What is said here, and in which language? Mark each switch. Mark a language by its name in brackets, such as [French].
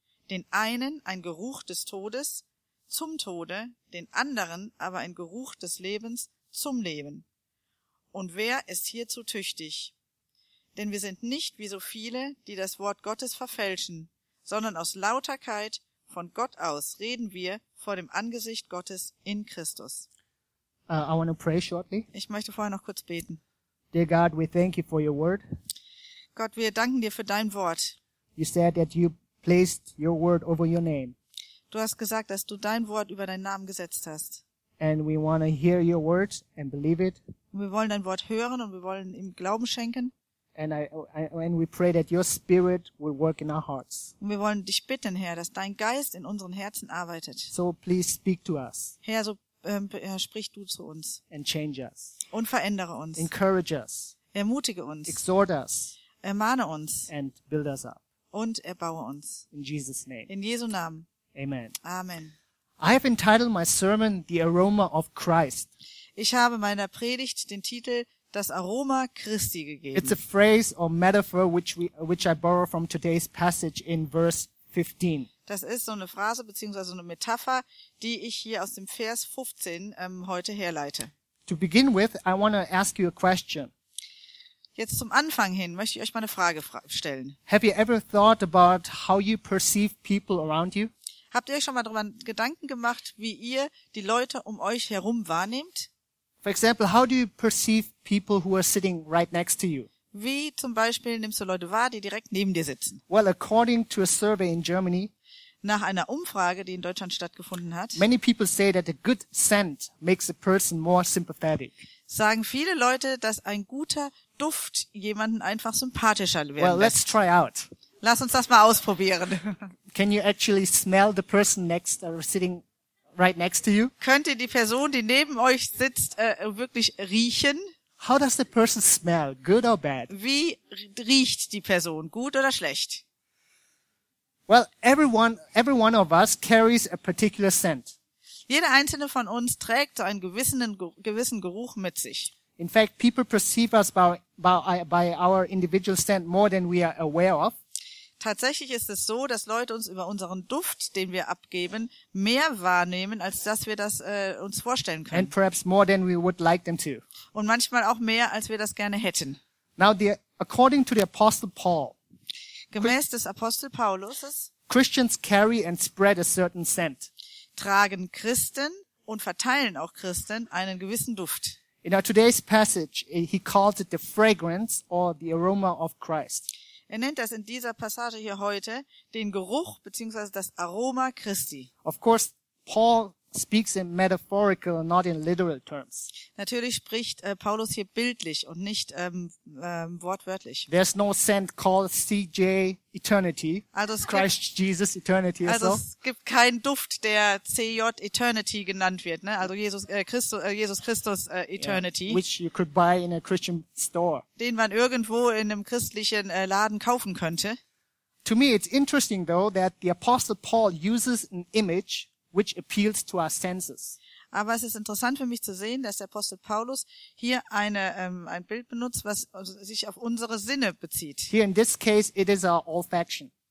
[German] Den einen ein Geruch des Todes zum Tode, den anderen aber ein Geruch des Lebens zum Leben. Und wer ist hierzu tüchtig? Denn wir sind nicht wie so viele, die das Wort Gottes verfälschen, sondern aus Lauterkeit von Gott aus reden wir vor dem Angesicht Gottes in Christus. [English] I want to pray shortly. [German] Ich möchte vorher noch kurz beten. [English] Dear God, we thank you for your word. [German] Gott, wir danken dir für dein Wort. [English] You said that you placed your word over your name. [German] Du hast gesagt, dass du dein Wort über deinen Namen gesetzt hast. [English] And we want to hear your words and believe it. [German] Und wir wollen dein Wort hören und wir wollen ihm Glauben schenken. [English] And we pray that your spirit will work in our hearts. [German] Und wir wollen dich bitten, Herr, dass dein Geist in unseren Herzen arbeitet. [English] So please speak to us. [German] Herr, so sprich du zu uns. [English] And change us. [German] Und verändere uns. [English] Encourage us. [German] Ermutige uns. [English] Exhort us. [German] Ermahne uns. [English] And build us up. [German] Und erbaue uns. [English] In Jesus name. [German] In Jesu Namen. [English] Amen. [German] Amen. [English] I have entitled my sermon The Aroma of Christ. [German] Ich habe meiner Predigt den Titel Das Aroma Christi gegeben. [English] It's a phrase or metaphor which I borrow from today's passage in verse 15. [German] Das ist so eine Phrase bzw. so eine Metapher, die ich hier aus dem Vers 15 heute herleite. [English] To begin with, I want to ask you a question. [German] Jetzt zum Anfang hin möchte ich euch mal eine Frage stellen. [English] Have you ever thought about how you perceive people around you? [German] Habt ihr euch schon mal darüber Gedanken gemacht, wie ihr die Leute um euch herum wahrnehmt? [English] For example, how do you perceive people who are sitting right next to you? [German] Wie zum Beispiel nimmst du Leute wahr, die direkt neben dir sitzen? [English] Well, according to a survey in Germany, [German] nach einer Umfrage, die in Deutschland stattgefunden hat, [English] many people say that a good scent makes a person more sympathetic. [German] Sagen viele Leute, dass ein guter Duft jemanden einfach sympathischer werden lässt. [English] Well, let's try out. [German] Lass uns das mal ausprobieren. [English] Can you actually smell the person next or sitting right next to you? [German] Könnt ihr die Person, die neben euch sitzt, wirklich riechen? [English] How does the person smell, good or bad? [German] Wie riecht die Person, gut oder schlecht? [English] Well, every one of us carries a particular scent. [German] Jeder einzelne von uns trägt so einen gewissen Geruch mit sich. [English] In fact, people perceive us by our individual scent more than we are aware of. [German] Tatsächlich ist es so, dass Leute uns über unseren Duft, den wir abgeben, mehr wahrnehmen, als dass wir das uns vorstellen können. [English] And perhaps more than we would like them to. [German] Und manchmal auch mehr, als wir das gerne hätten. [English] Now, according to the Apostle Paul, [German] gemäß des Apostel Paulus, [English] Christians carry and spread a certain scent. [German] Tragen Christen und verteilen auch Christen einen gewissen Duft. [English] In our today's passage, he calls it the fragrance or the aroma of Christ. [German] Er nennt das in dieser Passage hier heute den Geruch bzw. das Aroma Christi. [English] Of course, Paul speaks in metaphorical, not in literal terms. [German] Natürlich spricht Paulus hier bildlich und nicht wortwörtlich. [English] There's no scent called CJ Eternity. [German] Also [English] Christ Jesus Eternity. [German] Also es gibt keinen Duft, der CJ Eternity genannt wird. Ne? Also Jesus Christus Eternity. [English] Yeah. Which you could buy in a Christian store. [German] Den man irgendwo in einem christlichen Laden kaufen könnte. [English] To me, it's interesting though that the Apostle Paul uses an image which appeals to our senses. [German] Aber es ist interessant für mich zu sehen, dass der Apostel Paulus hier ein Bild benutzt, was sich auf unsere Sinne bezieht. [English] Here in this case it is our olfaction.